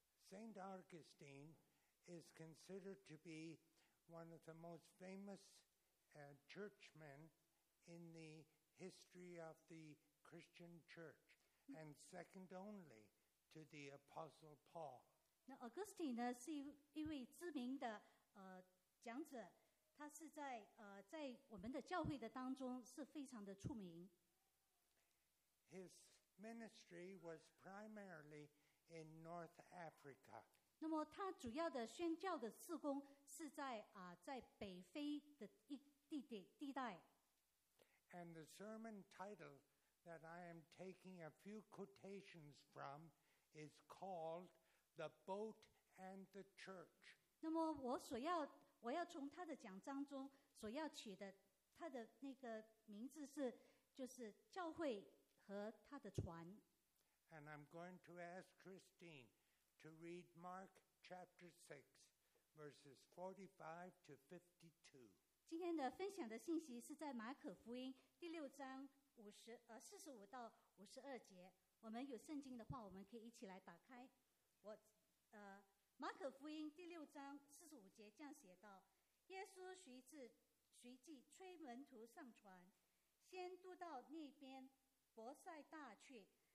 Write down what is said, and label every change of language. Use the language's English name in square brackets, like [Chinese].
[English] Saint Augustine is considered to be one of the most famous churchmen in the history of the Christian church, and second only to the Apostle Paul. [Chinese] 那 Augustine 呢是一位知名的讲者，他是在在我们的教会的当中是非常的出名。 [English] His ministry was primarily in North Africa. [Chinese] 那么他主要的宣教的事工是在在北非的地带。 [English] And the sermon title that I am taking a few quotations from is called The Boat and the Church. [Chinese] 那么我要从他的讲章中所要取的他的那个名字是就是教会和他的船。 [English] And I'm going to ask Christine to read Mark chapter 6, verses 45 to 52. [Chinese] 今天的分享的信息是在马可福音第六章45到52节。我们有圣经的话，我们可以一起来打开。马可福音第六章45节这样写道：耶稣随即催门徒上船，先渡到那边伯赛大去。